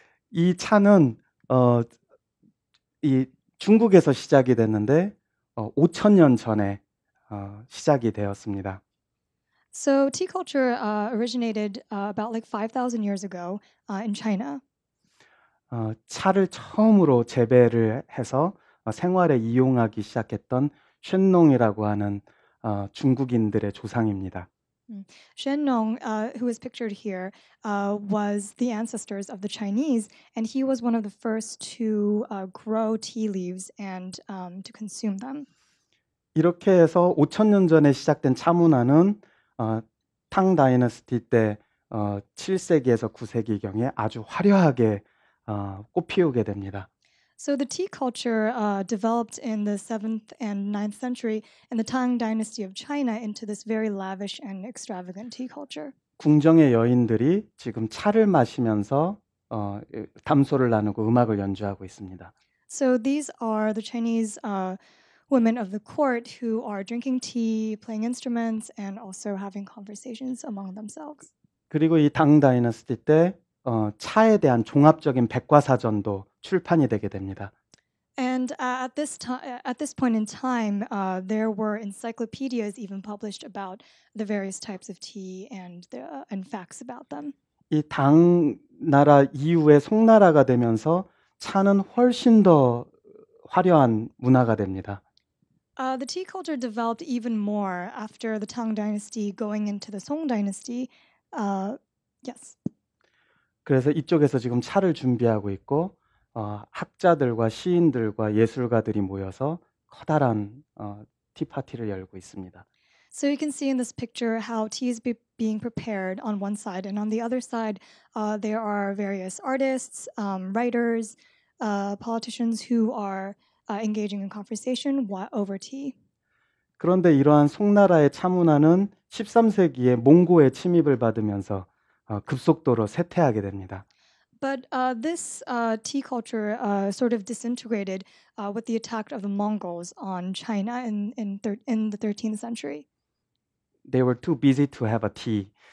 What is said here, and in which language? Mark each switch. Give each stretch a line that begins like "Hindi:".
Korean: 이 차는 이 중국에서 시작이 됐는데 5,000년 전에 시작이 되었습니다.
English: So tea culture originated about like 5,000 years ago in China.
Korean: 차를 처음으로 재배를 해서 생활에 이용하기 시작했던 쉔농이라고 하는 중국인들의 조상입니다.
English: Shennong, who is pictured here, was the ancestors of the Chinese, and he was one of the first to grow tea leaves and to consume them.
Korean: 이렇게 해서 5,000년 전에 시작된 차 문화는 탕 다이너스티 때 7세기에서 9세기 경에 아주 화려하게 꽃피우게 됩니다.
English: So the tea culture developed in the 7th and 9th century in the Tang Dynasty of China into this very lavish and extravagant tea culture.
Korean: 궁정의 여인들이 지금 차를 마시면서 담소를 나누고 음악을 연주하고 있습니다.
English: So these are the Chinese women of the court who are drinking tea, playing instruments, and also having conversations among themselves.
Korean: 그리고 이 Tang Dynasty 때 차에 대한 종합적인 백과사전도 출판이 되게 됩니다.
English: And at this point in time, there were encyclopedias even published about the various types of tea and and facts about them.
Korean: 이 당 나라 이후에 송나라가 되면서 차는 훨씬 더 화려한 문화가 됩니다.
English: The tea culture developed even more after the Tang Dynasty going into the Song Dynasty. Yes.
Korean: 그래서 이쪽에서 지금 차를 준비하고 있고 학자들과 시인들과 예술가들이 모여서 커다란 티 파티를 열고 있습니다.
English: So you can see in this picture how tea is being prepared on one side, and on the other side, there are various artists, writers, politicians who are engaging in conversation over tea.
Korean: 그런데 이러한 송나라의 차 문화는 13세기에 몽고의 침입을 받으면서 급속도로 쇠퇴하게 됩니다.
English: But this tea culture sort of disintegrated with the attack of the Mongols on China in the 13th century. They were too busy to have a tea.